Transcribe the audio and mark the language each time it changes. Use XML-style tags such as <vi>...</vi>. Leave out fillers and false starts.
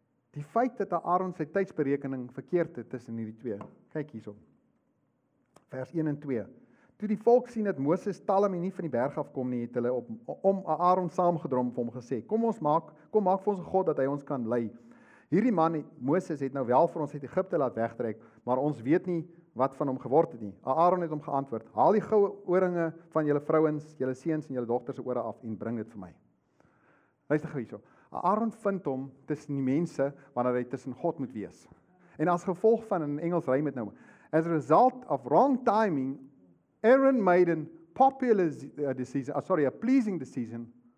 <af>Die feit dat Aaron sy tydsberekening verkeerd het tussen hierdie twee. Kyk hierson. Vers 1 en 2. Toe die volk sien dat Moses talm en nie van die berg af kom nie, het hulle om Aaron saamgedrom vir hom gesê: "Kom maak vir ons 'n god dat hy ons kan lei. Hierdie man Moses het nou wel vir ons uit Egipte laat wegtrek, maar ons weet nie wat van hom geword het nie." Aaron het hom geantwoord: "Haal die goue ooringe van julle vrouens, julle seuns en julle dogters se ore af en bring dit vir my." Luister gou hierson. Aaron vind hom tussen die mense wanneer hy tussen God moet wees. En as gevolg van, in Engels rym dit nou,</af> <en>as a result of wrong timing, Aaron made a popular decision, a pleasing decision.</en>